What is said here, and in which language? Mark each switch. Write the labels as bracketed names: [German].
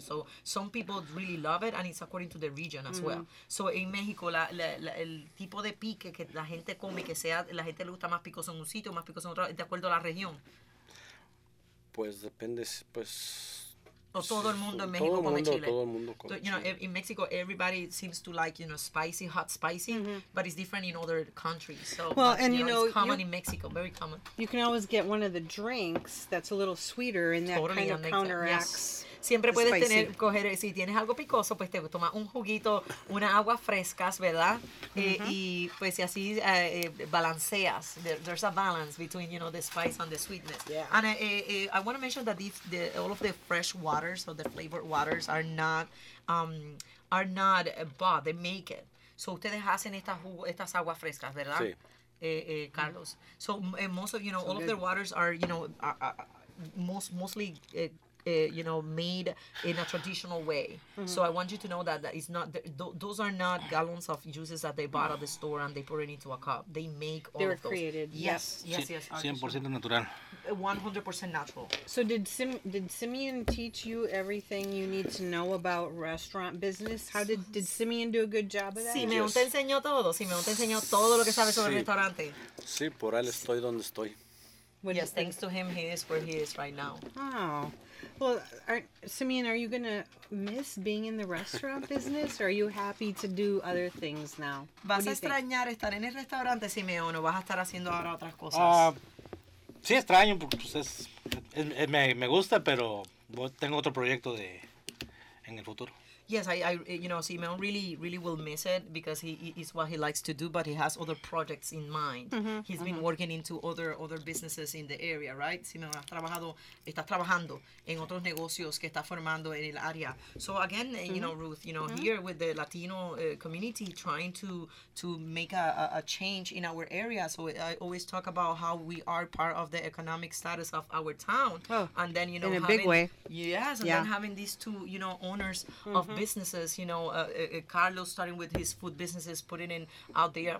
[English] So some people really love it, and it's according to the region as mm-hmm. well. So in Mexico, [Spanish] el tipo de pique que la gente come, que sea, la gente le gusta más picoso en un sitio, más picoso en otro, de acuerdo a la región. Pues depende, pues. O todo el mundo en México come chile. Todo el mundo come. [English] In Mexico, everybody seems to like spicy, hot spicy, mm-hmm. but it's different in other countries. It's common in Mexico, very common. You can always get one of the drinks that's a little sweeter, and that kind of counteracts. [Spanish] Siempre puedes coger, si tienes algo picoso, pues te tomas un juguito, una agua fresca, ¿verdad? Mm-hmm. Y pues y así balanceas. [English] There's a balance between, the spice and the sweetness. Yeah. And I want to mention that all of the fresh waters, or the flavored waters, are not bought. They make it. [Spanish] So ustedes hacen estas aguas frescas, ¿verdad? Sí. Carlos. Mm-hmm. [English] So most of, all good. Of their waters are, mostly... made in a traditional way. Mm-hmm. So I want you to know that it's not, those are not gallons of juices that they bought at the store and they put it into a cup. They make all they of those. They were created. Yes. Yes, yes. 100% natural. 100% natural. So did Simeon teach you everything you need to know about restaurant business? How did Simeon do a good job of that? [Spanish] Simeon te enseñó todo. Simeon te enseñó todo lo que sabes sobre el restaurante. Sí, por él estoy donde estoy. [English] Yes, thanks to him, he is where he is right now. Oh. Well, Simeon, are you going to miss being in the restaurant business, or are you happy to do other things now? [Spanish] ¿Vas a extrañar estar en el restaurante, Simeon, o vas a estar haciendo ahora otras cosas? Sí, extraño, porque pues, me gusta, pero tengo otro proyecto en el futuro. [English] Yes, I Simeon really, really will miss it because it's what he likes to do, but he has other projects in mind. Mm-hmm, he's mm-hmm. been working into other businesses in the area, right? [Spanish] Simeon, estás trabajando en otros negocios que está formando en el área. [English] So again, mm-hmm. Ruth, mm-hmm. here with the Latino community trying to make a change in our area. So I always talk about how we are part of the economic status of our town. Oh, and then, in a having, big way. Yes, and then having these two, owners mm-hmm. of businesses, Carlos starting with his food businesses, putting in out there.